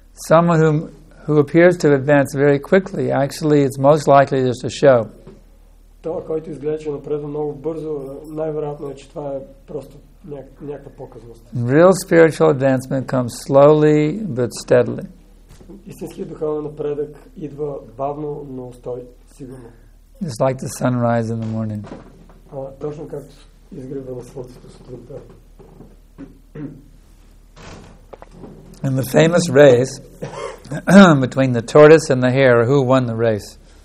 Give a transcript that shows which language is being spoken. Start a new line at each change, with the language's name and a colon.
English: Someone who appears to advance very quickly, actually it's most likely just a show.
Bulgarian: Това, който изгледа, че напредва много бързо, най-вероятно е, че това е просто някаква показност.
English: Real spiritual advancement comes slowly but steadily.
Bulgarian: Истинският духовен напредък идва бавно, но устойчиво, сигурно.
English: It's like the sunrise in the morning.
Bulgarian: Точно както изгрева на слънцето сутринта.
English: In the famous race between the tortoise and the hare, who won the race?